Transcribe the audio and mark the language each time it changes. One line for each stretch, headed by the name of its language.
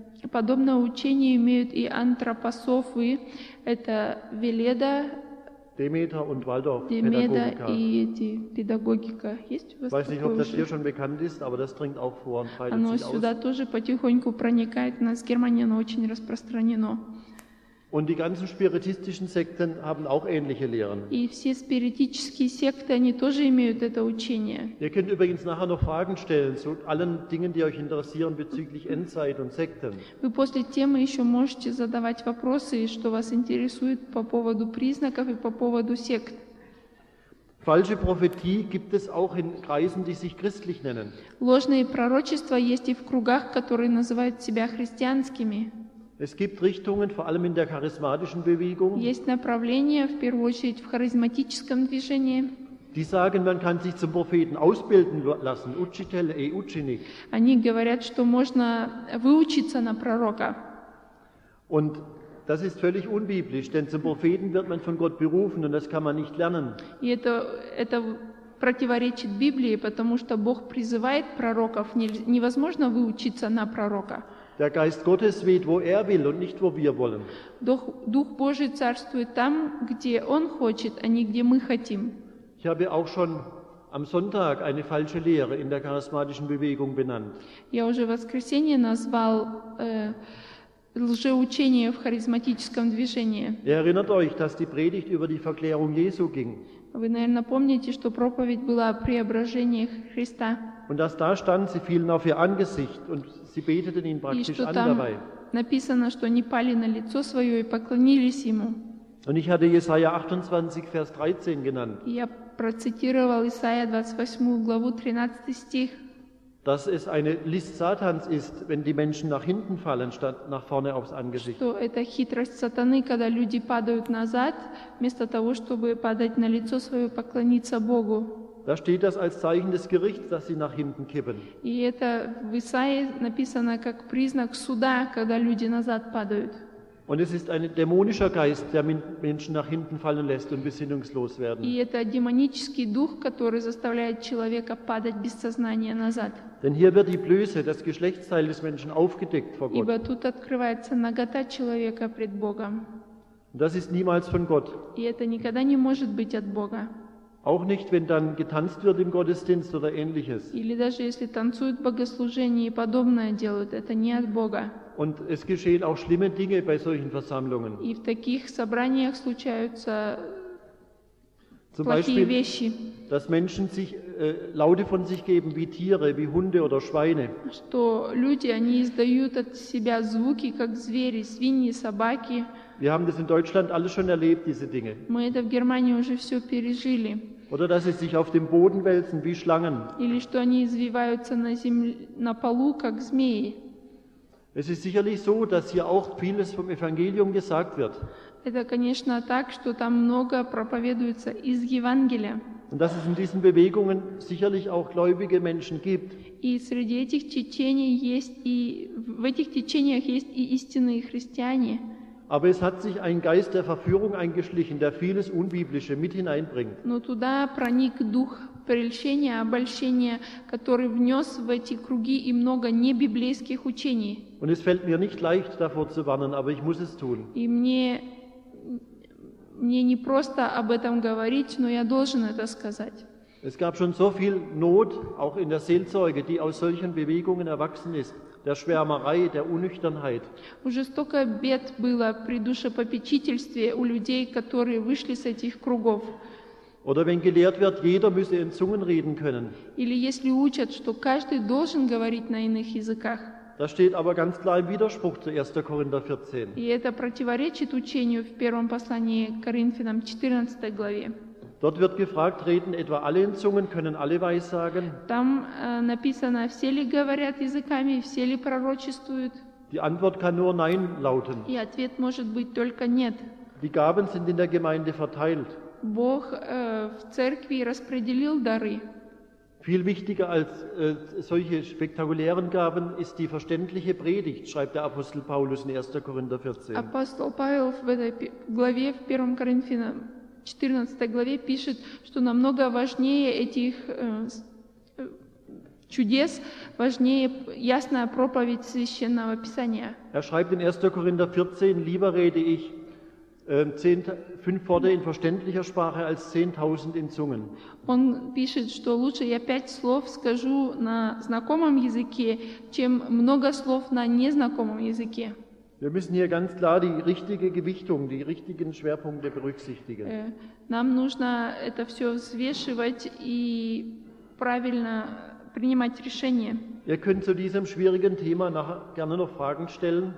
Russian: Подобное учение имеют и антропософы, это Веледа,
German: Demeter und Waldorf
Russian: Педагогика. Есть у вас?
German: Weiß nicht, ob das hier schon bekannt ist, aber das dringt auch vor und breitet sich aus.
Russian: Оно сюда тоже потихоньку проникает, у нас в Германии оно очень распространено.
German: Und die ganzen spiritistischen Sekten haben auch ähnliche Lehren.
Russian: И все спиритические секты, они тоже имеют это учение.
German: Ihr könnt übrigens nachher noch Fragen stellen zu allen Dingen, die euch interessieren bezüglich Endzeit und Sekten.
Russian: Вы после темы еще можете задавать вопросы, что вас интересует по поводу признаков и по поводу сект.
German: Falsche Prophetie gibt es auch in Kreisen, die sich christlich nennen.
Russian: Ложные пророчества есть и в кругах, которые называют себя христианскими.
German: Es gibt Richtungen, vor allem in der charismatischen Bewegung.
Russian: Есть направления, в первую очередь, в харизматическом движении.
German: Die sagen, man kann sich zum Propheten ausbilden lassen.
Russian: Учитель и ученик. Они говорят, что можно выучиться на пророка.
German: Und das ist völlig unbiblisch, denn zum Propheten wird man von Gott berufen und das kann man nicht lernen.
Russian: И это противоречит Библии, потому что Бог призывает пророков. Невозможно выучиться на пророка.
German: Der Geist Gottes weht, wo er will und nicht, wo wir wollen. Doch
Russian: Дух Божий царствует там, где он хочет, а не где мы хотим.
German: Ich habe auch schon am Sonntag eine falsche Lehre in der charismatischen Bewegung benannt.
Russian: Я уже в воскресенье назвал лжеучение в харизматическом движении.
German: Ihr erinnert euch, dass die Predigt über die Verklärung Jesu ging.
Russian: Вы, наверное, помните, что проповедь была о преображении Христа.
German: Und dass da stand, sie fielen auf ihr Angesicht und sie beteten ihn praktisch an dabei.
Russian: Написано, что они пали на лицо свое и поклонились ему.
German: Und ich hatte Jesaja 28, Vers 13 genannt.
Russian: Я процитировал Исаия 28 главу 13 стих.
German: Dass es eine List Satans ist, wenn die Menschen nach hinten fallen statt nach vorne aufs Angesicht.
Russian: Что это хитрость сатаны, когда люди падают назад, вместо того, чтобы падать на лицо свое и поклониться Богу.
German: Da steht das als Zeichen des Gerichts, dass sie nach hinten kippen.
Russian: И это в Исаии написано как признак суда, когда люди назад падают.
German: Und es ist ein dämonischer Geist, der Menschen nach hinten fallen lässt und besinnungslos werden.
Russian: И это демонический дух, который заставляет человека падать без сознания назад.
German: Denn hier wird die Blöße, das Geschlechtsteil des Menschen, aufgedeckt vor Gott.
Russian: Ибо тут открывается нагота человека пред Богом.
German: Das ist niemals von Gott.
Russian: И это никогда не может быть от Бога.
German: Auch nicht, wenn dann getanzt wird im Gottesdienst oder ähnliches.
Russian: Или даже если танцуют богослужение и подобное делают, это не от Бога.
German: Und es geschehen auch schlimme Dinge bei solchen Versammlungen.
Russian: И в таких собраниях случаются
German: Zum
Russian: плохие
German: Beispiel,
Russian: вещи.
German: Dass Menschen sich Laute von sich geben wie Tiere, wie Hunde oder Schweine.
Russian: Что люди, они издают от себя звуки, как звери, свиньи, собаки.
German: Wir haben das in Deutschland alles schon erlebt, diese Dinge.
Russian: Мы это в Германии уже все пережили.
German: Oder dass sie sich auf dem Boden wälzen wie Schlangen.
Russian: Или что они извиваются на земле, на полу, как змеи.
German: Es ist sicherlich so, dass hier auch vieles vom Evangelium gesagt wird.
Russian: Это конечно так, что там много проповедуется из Евангелия.
German: Und dass es in diesen Bewegungen sicherlich auch gläubige Menschen gibt.
Russian: И среди этих течений есть и в этих течениях есть и истинные христиане.
German: Aber es hat sich ein Geist der Verführung eingeschlichen, der vieles Unbiblische mit hineinbringt.
Russian: Но туда проник дух прельщения, обольщения, который внес в эти круги и много небиблейских учений.
German: Und es fällt mir nicht leicht, davor zu warnen, aber ich muss es tun.
Russian: И мне не просто об этом говорить, но я должен это сказать.
German: Es gab schon so viel Not, auch in der Seelsorge, die aus solchen Bewegungen erwachsen ist, der Schwärmerei, der Unüchternheit.
Russian: Уже столько бед было при душепопечительстве у людей, которые вышли с этих кругов.
German: Oder wenn gelehrt wird, jeder müsse in Zungen reden können.
Russian: Или если учат, что каждый должен говорить на иных языках.
German: Das steht aber ganz klar im Widerspruch zu 1. Korinther 14.
Russian: И это противоречит учению в первом послании к Коринфянам 14 главе.
German: Dort wird gefragt, reden etwa alle in Zungen, können alle weissagen?
Russian: Там написано, все ли говорят языками, все ли пророчествуют?
German: Die Antwort kann nur Nein lauten.
Russian: И ответ может быть только нет.
German: Die Gaben sind in der Gemeinde verteilt.
Russian: Бог в церкви распределил дары.
German: Viel wichtiger als solche spektakulären Gaben ist die verständliche Predigt, schreibt der Apostel Paulus in 1. Korinther 14.
Russian: Апостол Павел в этой главе в 1 Коринфянам 14 главе пишет, что намного важнее этих чудес, важнее ясная проповедь Священного Писания.
German: Er schreibt in 1. Korinther 14, lieber rede ich 5 Worte in verständlicher Sprache als 10.000 in Zungen.
Russian: Он пишет, что лучше я 5 слов скажу на знакомом языке, чем много слов на незнакомом языке.
German: Wir müssen hier ganz klar die richtige Gewichtung, die richtigen Schwerpunkte berücksichtigen.
Russian: Нам нужно это все взвешивать и правильно принимать решения.
German: Ihr könnt zu diesem schwierigen Thema nachher gerne noch Fragen stellen.